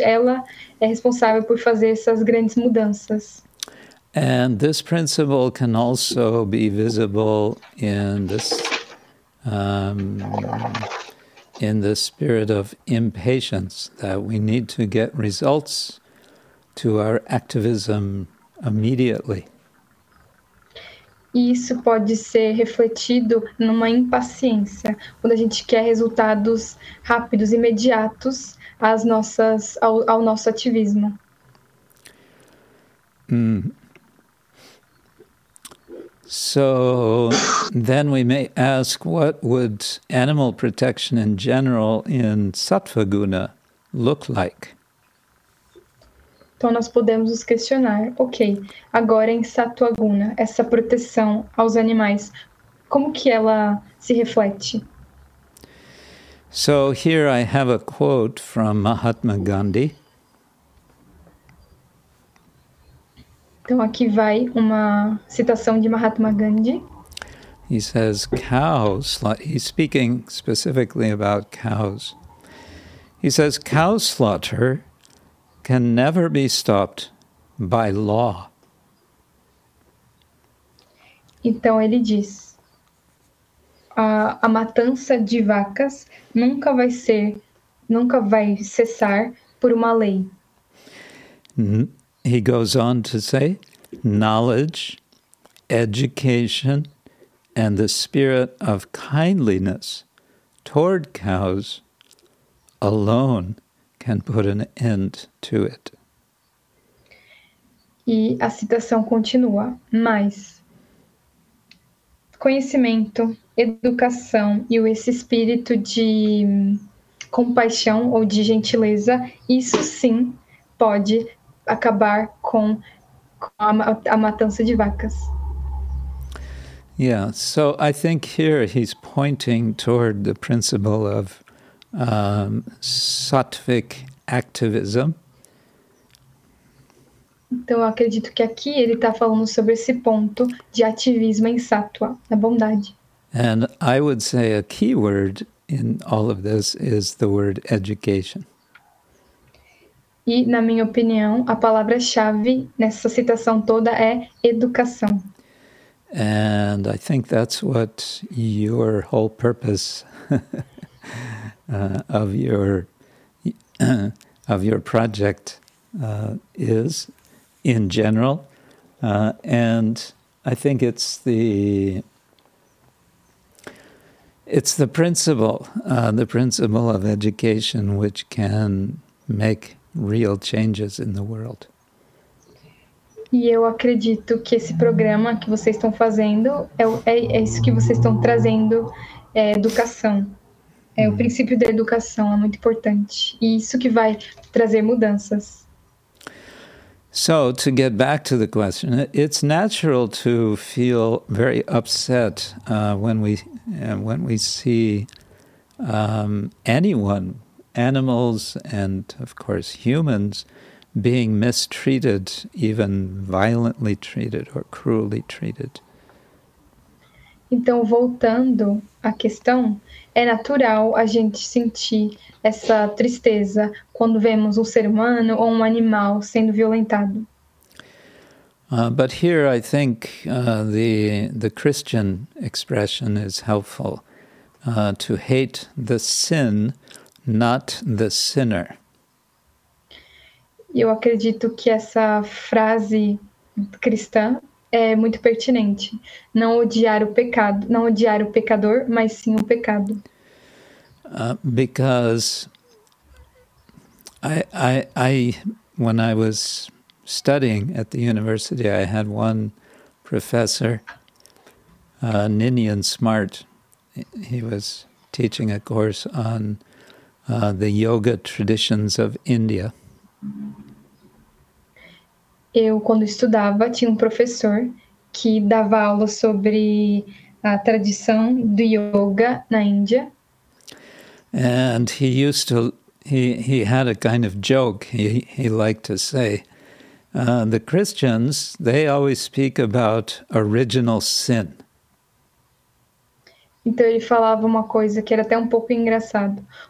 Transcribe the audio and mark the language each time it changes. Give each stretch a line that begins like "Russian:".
Portuguese: Ela é responsável por fazer essas grandes mudanças.
English: And this principle can also be visible in the spirit of impatience, that we need to get results to our activism immediately.
Portuguese: Isso pode ser refletido numa impaciência, quando a gente quer resultados rápidos, imediatos ao nosso ativismo.
English: So then we may ask, what would animal protection in general in sattva guna look like?
Portuguese: Então, nós podemos nos questionar, ok, agora em sattva guna, essa proteção aos animais, como que ela se reflete?
English: So, here I have a quote from Mahatma Gandhi.
Portuguese: Então, aqui vai uma citação de Mahatma Gandhi.
English: He says, cows, he's speaking specifically about cows. He says, cow slaughter can never be stopped by law.
Portuguese: Então ele diz, a matança de vacas nunca vai cessar por uma lei.
English: He goes on to say, knowledge, education, and the spirit of kindliness toward cows alone can put an end to it.
Portuguese: E a citação continua, mas conhecimento, educação e esse espírito de compaixão ou de gentileza, isso sim pode acabar com a matança de vacas.
English: Yeah, so I think here he's pointing toward the principle of sattvic activism.
Portuguese: Então, eu acredito que aqui ele está falando sobre esse ponto de ativismo em sattva, na bondade.
English: And I would say a key word in all of this is the word education.
Portuguese: E, na minha opinião, a palavra-chave nessa citação toda é educação.
English: And I think that's what your whole purpose of your project is in general. And I think it's the principle of education which can make real changes in the world.
Portuguese: E eu acredito que esse programa que vocês estão fazendo é isso que vocês estão trazendo, é educação. É o princípio da educação, é muito importante. E isso que vai trazer mudanças.
English: So, to get back to the question, it's natural to feel very upset when we see anyone, animals and, of course, humans, being mistreated, even violently treated or cruelly treated.
Portuguese: Então, voltando à questão, é natural a gente sentir essa tristeza quando vemos um ser humano ou um animal sendo violentado.
English: But here I think the Christian expression is helpful, to hate the sin, not the sinner.
Portuguese: Eu acredito que essa frase cristã é muito pertinente. Não odiar o pecado, não odiar o pecador, mas sim o pecado.
English: Because when I was studying at the university, I had one professor, Ninian Smart. He was teaching a course on the yoga traditions of India.
Portuguese: Eu, quando estudava, tinha um professor que dava aula sobre a tradição do yoga na Índia.
English: And he had a kind of joke, he liked to say, the Christians, they always speak about original sin.
Portuguese: Então ele falava uma coisa que era até um pouco engraçado.